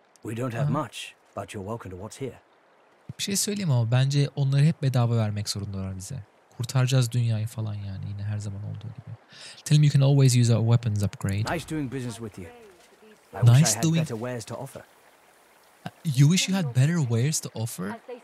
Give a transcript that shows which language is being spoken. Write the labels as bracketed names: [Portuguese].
[English] We don't have much, but you're welcome to what's here. [Turkish] Bir şey söyleyeyim ama bence onları hep bedava vermek zorundalar bize. Kurtaracağız dünyayı falan yani, yine her zaman olduğu gibi. [English] Tell me you can always use our weapons upgrade. Nice doing business with you. I nice wish I had doing. Better wares to offer. You wish you had better wares to offer?